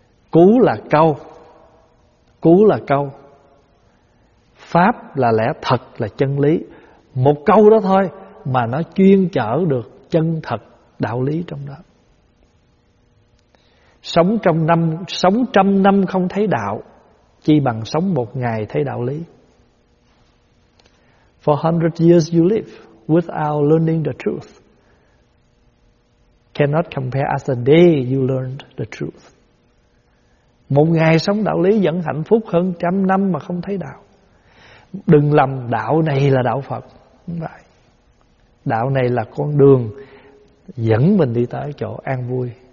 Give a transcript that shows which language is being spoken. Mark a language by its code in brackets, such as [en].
[vi] Cú là câu, cú là câu. Pháp là lẽ thật, là chân lý. Một câu đó thôi mà nó chuyên chở được chân thật đạo lý trong đó. Sống trong năm, sống trăm năm không thấy đạo, chi bằng sống một ngày thấy đạo lý. [en] For 100 years you live without learning the truth cannot compare as a day you learned the truth. [vi] Một ngày sống đạo lý vẫn hạnh phúc hơn trăm năm mà không thấy đạo. Đừng lầm đạo này là đạo Phật. Đúng vậy. Đạo này là con đường dẫn mình đi tới chỗ an vui.